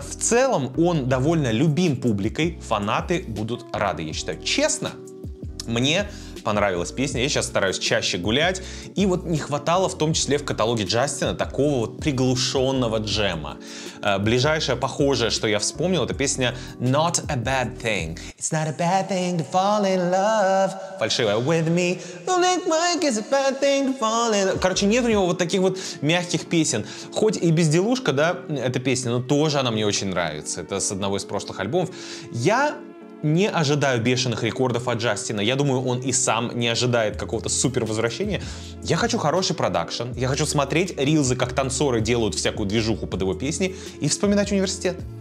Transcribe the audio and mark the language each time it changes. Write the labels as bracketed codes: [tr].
[ru] В целом, он довольно любим публикой. Фанаты будут рады, я считаю. Честно, мне понравилась песня. Я сейчас стараюсь чаще гулять. И вот не хватало в том числе в каталоге Джастина такого вот приглушенного джема. Ближайшее похожее, что я вспомнил, это песня Not a bad thing. [en] It's not a bad thing to fall in love. [ru] Фальшивая. [en] With me. Don't think Mike is a bad thing to fall in love. [ru] Короче, нет у него вот таких вот мягких песен. Хоть и безделушка, да, эта песня, но тоже она мне очень нравится. Это с одного из прошлых альбомов. Я не ожидаю бешеных рекордов от Джастина. Я думаю, он и сам не ожидает какого-то супер возвращения. Я хочу хороший продакшн. Я хочу смотреть рилзы, как танцоры делают всякую движуху под его песни, и вспоминать университет.